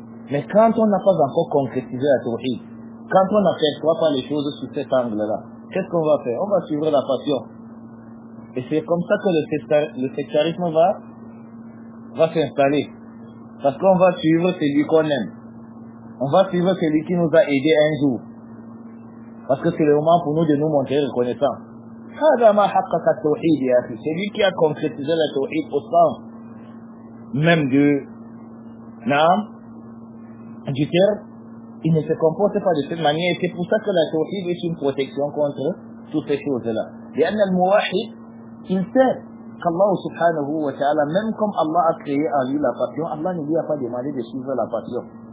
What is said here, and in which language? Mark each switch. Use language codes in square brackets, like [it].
[fr] Mais quand on n'a pas encore concrétisé la tawhid, quand on n'aperçoit pas les choses sous cet angle-là, qu'est-ce qu'on va faire? On va suivre la passion. Et c'est comme ça que le sectarisme va s'installer. Parce qu'on va suivre celui qu'on aime. On va suivre celui qui nous a aidés un jour. Parce que c'est le moment pour nous de nous montrer reconnaissants. [ar] هذا ما حقق التوحيد يا أخي. [fr] Celui qui a concrétisé le tawhid au sens même du nom du terme, il ne se comporte pas de cette manière. C'est pour ça que la tawhid est une protection contre toutes ces choses-là. [ar] لأن المواحد [fr] il sait qu'Allah subhanahu wa ta'ala, même comme Allah a créé en lui la passion, Allah ne lui a pas demandé de suivre la passion.